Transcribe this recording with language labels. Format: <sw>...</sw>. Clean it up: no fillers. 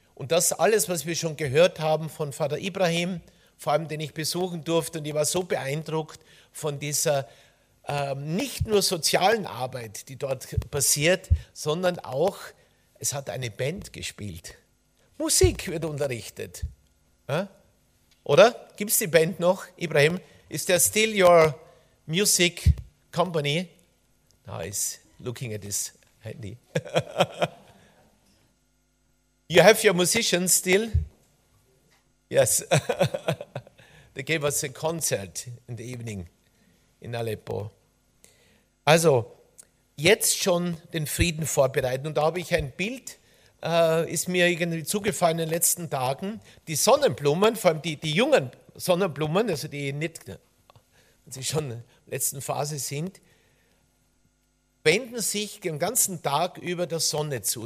<de>Und das alles, was wir schon gehört haben von Vater Ibrahim, vor allem den ich besuchen durfte, und ich war so beeindruckt von dieser nicht nur sozialen Arbeit, die dort passiert, sondern auch, es hat eine Band gespielt. Musik wird unterrichtet. Ja? Oder? Gibt es die Band noch, Ibrahim? Ist der Still Your Music Company?</de> <en>Now he's looking at his handy. You have your musicians still? Yes. They gave us a concert in the evening in Aleppo.</en> <de>Also, jetzt schon den Frieden vorbereiten. Und da habe ich ein Bild, ist mir irgendwie zugefallen in den letzten Tagen. Die Sonnenblumen, vor allem die jungen Sonnenblumen, also die nicht, wenn sie schon in der letzten Phase sind, wenden sich den ganzen Tag über der Sonne zu.</de>